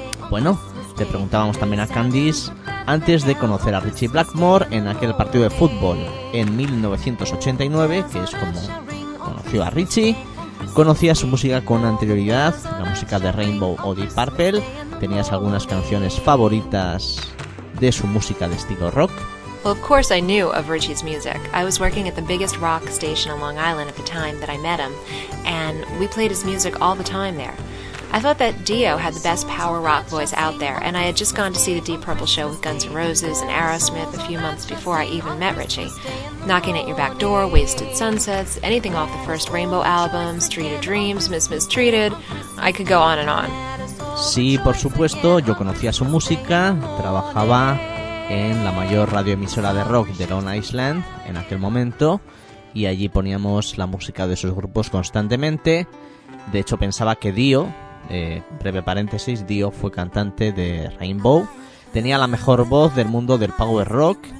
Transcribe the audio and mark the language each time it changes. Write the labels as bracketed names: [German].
[Spanish] Bueno, le preguntábamos también a Candice, antes de conocer a Richie Blackmore en aquel partido de fútbol en 1989, que es como conoció a Richie, ¿conocías su música con anterioridad, la música de Rainbow o Deep Purple? ¿Tenías algunas canciones favoritas de su música de estilo rock? [English] Well, of course I knew of Richie's music. I was working at the biggest rock station on Long Island at the time that I met him, and we played his music all the time there. I thought that Dio had the best power rock voice out there, and I had just gone to see the Deep Purple show with Guns N' Roses and Aerosmith a few months before I even met Richie. Knocking at Your Back Door, Wasted Sunsets, anything off the first Rainbow album, Street of Dreams, Miss Mistreated, I could go on and on. [Spanish] Sí, por supuesto, yo conocía su música, trabajaba en la mayor radioemisora de rock de Long Island en aquel momento, y allí poníamos la música de esos grupos constantemente. De hecho, pensaba que Dio, breve paréntesis, Dio fue cantante de Rainbow, tenía la mejor voz del mundo del power rock.